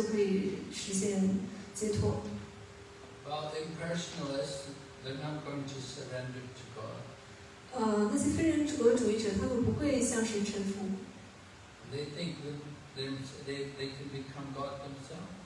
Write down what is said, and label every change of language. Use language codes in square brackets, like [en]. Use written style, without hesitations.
[en] Well, the impersonalists, they're not going to surrender to God. [zh] 那些非人格主义者，他们不会向神臣服。 [en] They think that they can become God themselves.